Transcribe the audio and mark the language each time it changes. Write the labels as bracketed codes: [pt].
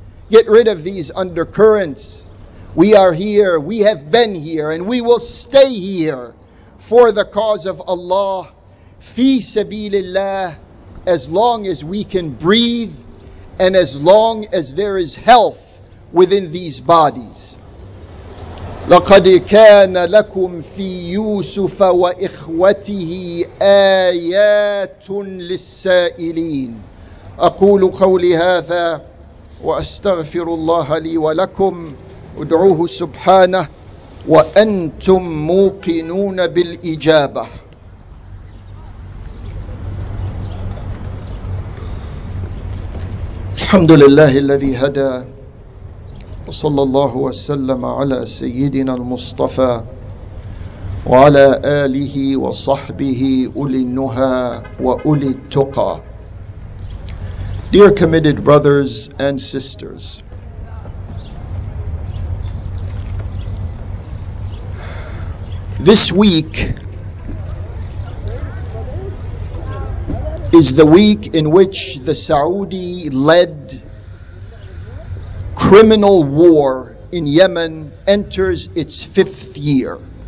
[en] Get rid of these undercurrents. We are here, we have been here, and we will stay here for the cause of Allah, fi sabilillah, as long as we can breathe and as long as there is health within these bodies. [ar] لَقَدْ كَانَ لَكُمْ فِي يُوسُفَ وَإِخْوَتِهِ آيَاتٌ لِلسَّائِلِينَ أَقُولُ قَوْلِ هَذَا وَأَسْتَغْفِرُ اللَّهَ لِي وَلَكُمْ أُدْعُوهُ سُبْحَانَهُ وَأَنْتُمْ مُوقِنُونَ بِالْإِجَابَةِ الحمد لله الذي هدى وصلى الله وسلم على سيدنا المصطفى وعلى آله وصحبه أولي النهى وأولي التقى. [en] Dear committed brothers and sisters, this week is the week in which the Saudi-led criminal war in Yemen enters its fifth year.